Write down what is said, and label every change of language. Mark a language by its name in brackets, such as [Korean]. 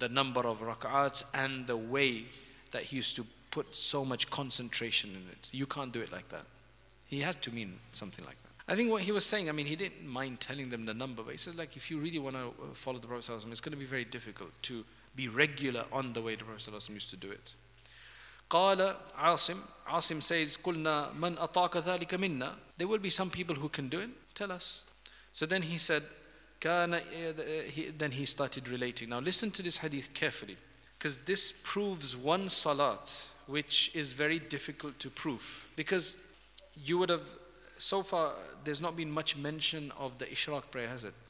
[English] The number of raka'ats and the way that he used to put so much concentration in it. You can't do it like that. He had to mean something like that. I think what he was saying, I mean, he didn't mind telling them the number, but he said, like, if you really want to follow the Prophet ﷺ, it's going to be very difficult to be regular on the way the Prophet ﷺ used to do it. [Arabic] Qala Asim. [English] Asim says, [Arabic] قُلْنَا مَنْ أَطَاكَ ذَلِكَ مِنَّا. [English] There will be some people who can do it. Tell us. So then he said, then he started relating. Now listen to this hadith carefully, because this proves one salat, which is very difficult to prove. Because you would have, so far, there's not been much mention of the Ishraq prayer, has it?